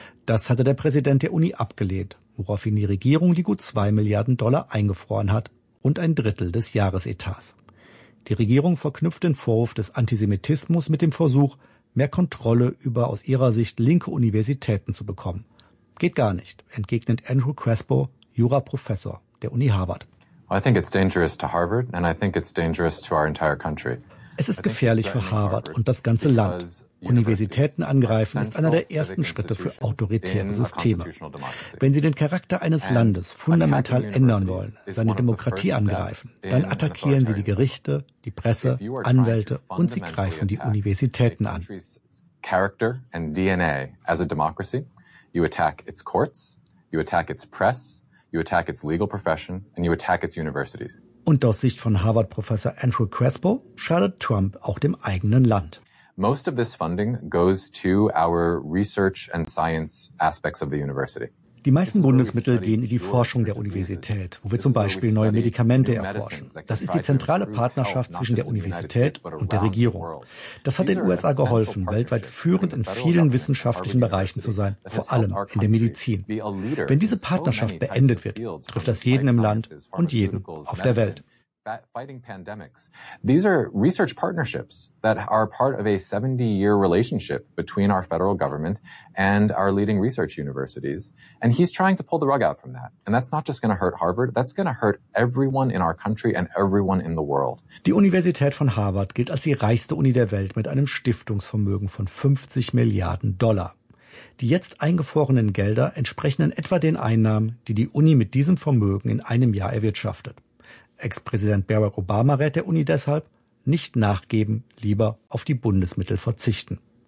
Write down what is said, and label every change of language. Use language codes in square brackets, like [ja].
[de] Das hatte der Präsident der Uni abgelehnt, woraufhin die Regierung die gut 2 Milliarden Dollar eingefroren hat und ein Drittel des Jahresetats. Die Regierung verknüpft den Vorwurf des Antisemitismus mit dem Versuch, mehr Kontrolle über aus ihrer Sicht linke Universitäten zu bekommen. Geht gar nicht, entgegnet Andrew Crespo, Juraprofessor der Uni Harvard. [en] I think it's dangerous to Harvard and I think it's dangerous to our entire country. [de] Es ist gefährlich für Harvard und das ganze Land. Universitäten angreifen ist einer der ersten Schritte für autoritäre Systeme. Wenn Sie den Charakter eines Landes fundamental ändern wollen, seine Demokratie angreifen, dann attackieren Sie die Gerichte, die Presse, Anwälte und Sie greifen die Universitäten an. [en] Character and DNA as a democracy. You attack its courts, you attack its press, you attack its legal profession and you attack its universities. [de] Und aus Sicht von Harvard-Professor Andrew Crespo schadet Trump auch dem eigenen Land. [en] Most of this funding goes to our research and science aspects of the university. [de] Die meisten Bundesmittel gehen in die Forschung der Universität, wo wir zum Beispiel neue Medikamente erforschen. Das ist die zentrale Partnerschaft zwischen der Universität und der Regierung. Das hat den USA geholfen, weltweit führend in vielen wissenschaftlichen Bereichen zu sein, vor allem in der Medizin. Wenn diese Partnerschaft beendet wird, trifft das jeden im Land und jeden auf der Welt. [en] Fighting pandemics. These are research partnerships that are part of a 70-year relationship between our federal government and our leading research universities. And he's trying to pull the rug out from that. And that's not just going to hurt Harvard. That's going to hurt everyone in our country and everyone in the world. [de] Die Universität von Harvard gilt als die reichste Uni der Welt mit einem Stiftungsvermögen von 50 Milliarden Dollar. Die jetzt eingefrorenen Gelder entsprechen in etwa den Einnahmen, die die Uni mit diesem Vermögen in einem Jahr erwirtschaftet. Ex-Präsident Barack Obama rät der Uni deshalb, nicht nachgeben, lieber auf die Bundesmittel verzichten.